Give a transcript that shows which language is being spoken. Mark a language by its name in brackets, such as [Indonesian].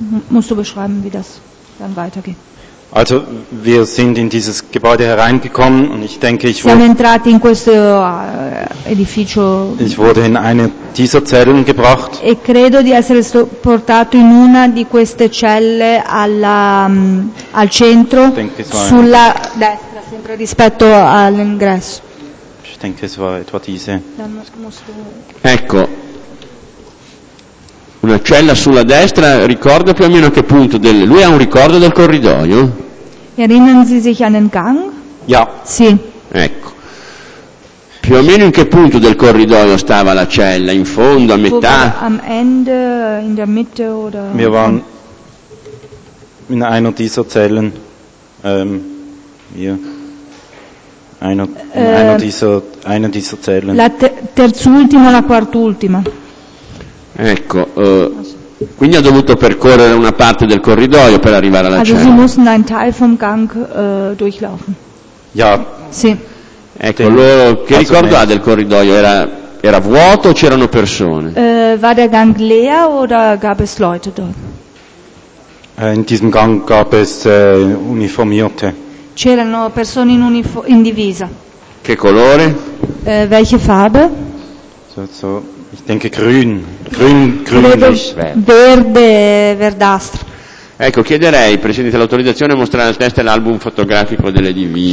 [German] Musst du beschreiben, wie das dann weitergeht. Also, wir sind in dieses Gebäude hereingekommen und ich denke, ich wurde. [Italian] Siamo entrati in questo edificio. [German] Ich wurde in eine dieser Zellen gebracht. [Italian] E credo di essere portato in una di queste celle al centro, sulla destra, sempre rispetto all'ingresso. [German] Ich denke, es war etwa diese. [Italian] Ecco. Una cella sulla destra, ricorda più o meno a che punto lui ha un ricordo del corridoio? [German] Erinnern Sie sich an den Gang? [English] Yeah. [Italian] Sì. Ecco. Più o meno in che punto del corridoio stava la cella? In fondo, a metà? [German] Am Ende, in der Mitte oder? Wir waren in einer dieser Zellen. In einer dieser Zellen. [Italian] La terz'ultima, la quart'ultima. Ecco, quindi ha dovuto percorrere una parte del corridoio per arrivare alla cella. [German] Also sie mussten einen Teil vom Gang durchlaufen. Ja. [Italian] Sì. Ecco, loro, che ricordo ha del corridoio? Era vuoto o c'erano persone? [German] War der Gang leer oder gab es Leute dort? In diesem Gang gab es uniformierte. [Italian] C'erano persone in in divisa. Che colore? [German] Welche Farbe? So. Ich denke grün. [Italian] Verde, verdastro. Ecco, chiederei, Presidente, l'autorizzazione a mostrare al test l'album fotografico delle divise.